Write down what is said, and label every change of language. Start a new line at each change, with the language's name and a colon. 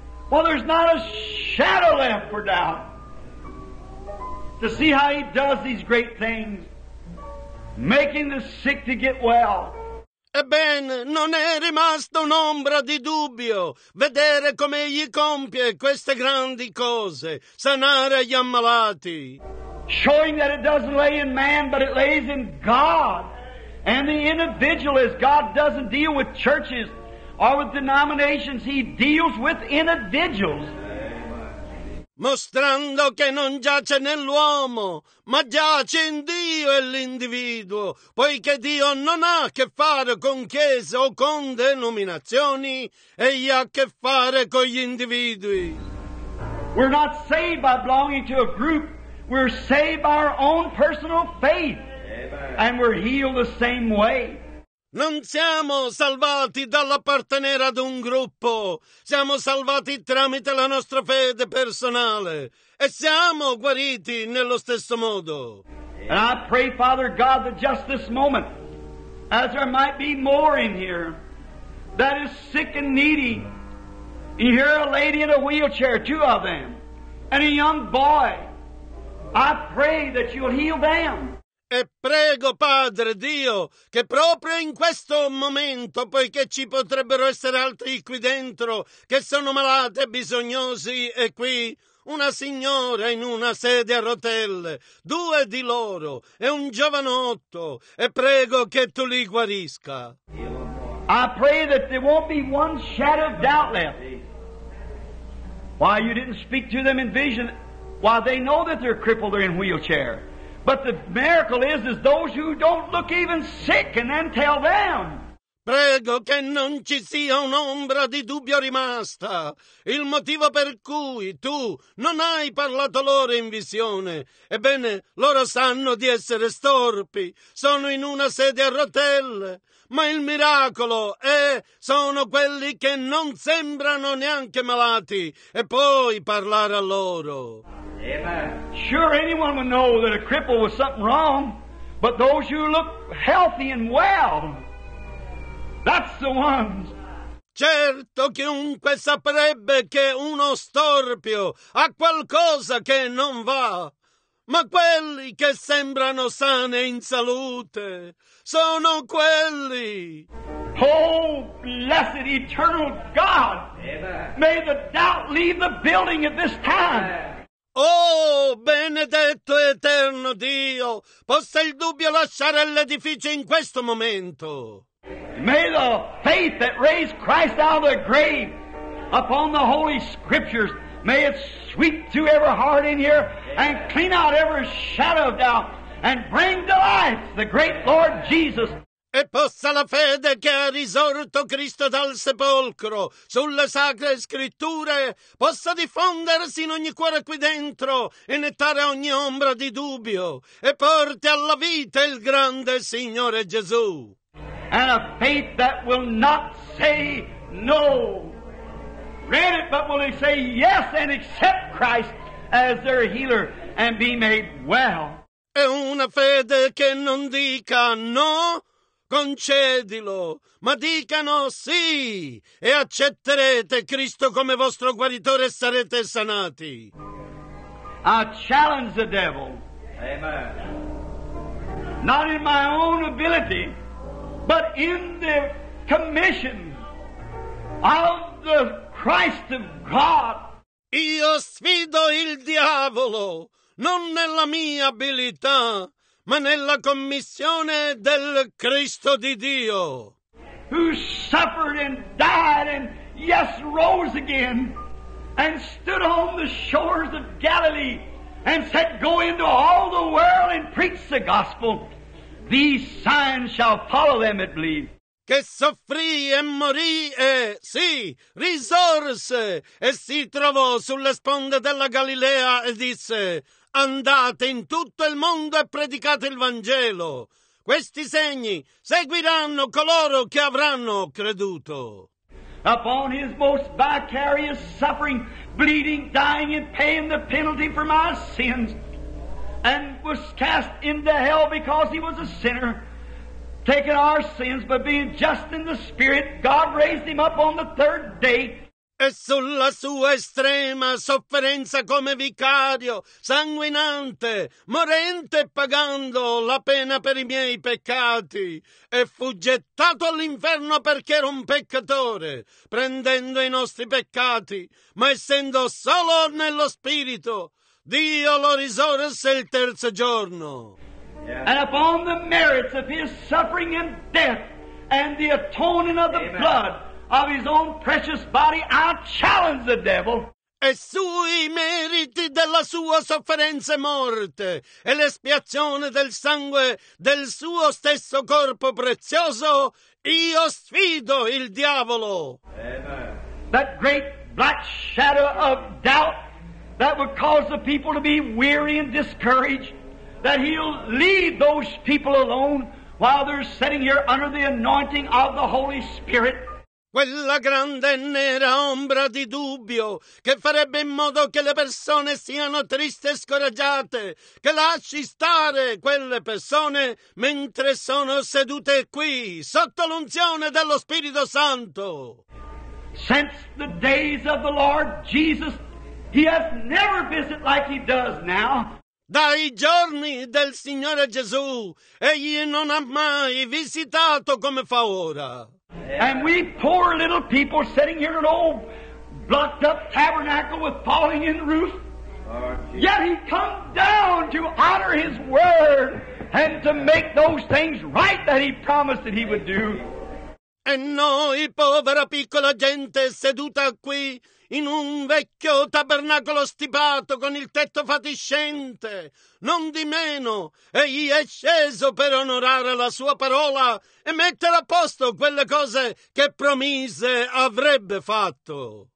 English: Well, there's not a shadow left for doubt to see how He does these great things, making the sick to get well.
Italian: Ebbene, non è rimasta un'ombra di dubbio vedere come Egli compie queste grandi cose, sanare gli ammalati.
English: Showing that it doesn't lay in man, but it lays in God. And the individualist, God doesn't deal with churches or with denominations, He deals with individuals.
Italian: Mostrando che non giace nell'uomo, ma giace in Dio e l'individuo, poiché Dio non ha a che fare con chiese o con denominazioni, Egli ha a che fare con gli individui.
English: We're not saved by belonging to a group, we're saved by our own personal faith. Amen. And we're healed the same way.
Italian: Non siamo salvati dall'appartenere ad un gruppo, siamo salvati tramite la nostra fede personale e siamo guariti nello stesso modo.
English: And I pray, Father God, that just this moment, as there might be more in here that is sick and needy, you hear a lady in a wheelchair, two of them, and a young boy, I pray that you'll heal them.
Italian: E prego, Padre Dio, che proprio in questo momento, poiché ci potrebbero essere altri qui dentro che sono malati e bisognosi, e qui una signora in una sedia a rotelle, due di loro e un giovanotto, e prego che Tu li guarisca.
English: I pray that there won't be one shadow of doubt left. Why You didn't speak to them in vision, why they know that they're crippled or in wheelchair. But the miracle is those who don't look even sick and then tell them.
Italian: Prego che non ci sia un'ombra di dubbio rimasta. Il motivo per cui Tu non hai parlato loro in visione. Ebbene, loro sanno di essere storpi. Sono in una sedia a rotelle. Ma il miracolo è, sono quelli che non sembrano neanche malati. E poi parlare a loro.
English: Sure, anyone would know that a cripple was something wrong, but those who look healthy and well, that's the ones.
Italian: Certo, chiunque saprebbe che uno storpio ha qualcosa che non va, ma quelli che sembrano sani e in salute sono quelli.
English: Oh, blessed eternal God, may the doubt leave the building at this time.
Italian: Oh, benedetto eterno Dio, possa il dubbio lasciare l'edificio in questo momento.
English: May the faith that raised Christ out of the grave upon the Holy Scriptures, may it sweep through every heart in here and clean out every shadow of doubt and bring to life the great Lord Jesus.
Italian: E possa la fede che ha risorto Cristo dal sepolcro sulle sacre scritture possa diffondersi in ogni cuore qui dentro e nettare ogni ombra di dubbio e porti alla vita il grande Signore Gesù.
English: And a faith that will not say no. Read it, but will they say yes and accept Christ as their healer and be made well.
Italian: E una fede che non dica no. Concedilo, ma dicano sì e accetterete Cristo come vostro guaritore e sarete sanati.
English: I challenge the devil. Amen. Not in my own ability, but in the commission of the Christ of God.
Italian: Io sfido il diavolo, non nella mia abilità, ma nella commissione del Cristo di Dio.
English: Who suffered and died and yes rose again and stood on the shores of Galilee and said, go into all the world and preach the gospel. These signs shall follow them that believe.
Italian: Che soffrì e morì e, sì, risorse e si trovò sulle sponde della Galilea e disse, andate in tutto il mondo e predicate il Vangelo. Questi segni seguiranno coloro che avranno creduto.
English: Upon his most vicarious suffering, bleeding, dying, and paying the penalty for my sins, and was cast into hell because he was a sinner, taking our sins, but being just in the Spirit, God raised him up on the third day.
Italian: E sulla sua estrema sofferenza come vicario, sanguinante, morente, pagando la pena per i miei peccati, e fu gettato all'inferno perché era un peccatore, prendendo i nostri peccati, ma essendo solo nello Spirito, Dio lo risorse il terzo giorno.
English: And upon the merits of his suffering and death and the atoning of the Amen. Blood of his own precious body, I challenge the devil.
Italian: E sui meriti della sua sofferenza e morte e l'espiazione del sangue del suo stesso corpo prezioso, io sfido il diavolo.
English: Amen. That great black shadow of doubt that would cause the people to be weary and discouraged, that he'll leave those people alone while they're sitting here under the anointing of the Holy Spirit.
Italian: Quella grande e nera ombra di dubbio che farebbe in modo che le persone siano tristi e scoraggiate, che lasci stare quelle persone mentre sono sedute qui sotto l'unzione dello Spirito Santo.
English: Since the days of the Lord Jesus, he has never visited like he does now.
Italian: Dai giorni del Signore Gesù, egli non ha mai visitato come fa ora.
English: And we poor little people sitting here in an old blocked up tabernacle with falling in roof. Yet he come down to honor his word and to make those things right that he promised that he would do.
Italian: E noi, povera piccola gente, seduta qui in un vecchio tabernacolo stipato con il tetto fatiscente, non di meno, egli è sceso per onorare la sua parola e mettere a posto quelle cose che promise avrebbe fatto.